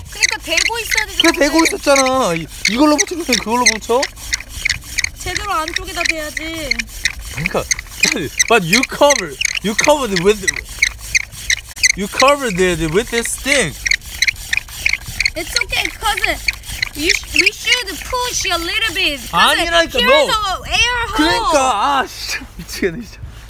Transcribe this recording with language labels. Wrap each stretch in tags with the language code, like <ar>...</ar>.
<ko>그러니까 대고 있어야 되잖아. 그래 대고 있었잖아. 이걸로 붙이면 돼. 그걸로 붙여. 제대로 안쪽에다 대야지. 그러니까,</ko> <en>but you covered it with this stick. It's okay, cause we should push a little bit.</en> <ko>아니라니까 너.</ko> <en>Here's the air hole.</en> <ko>그러니까 아 진짜 미치겠네 진짜.</ko>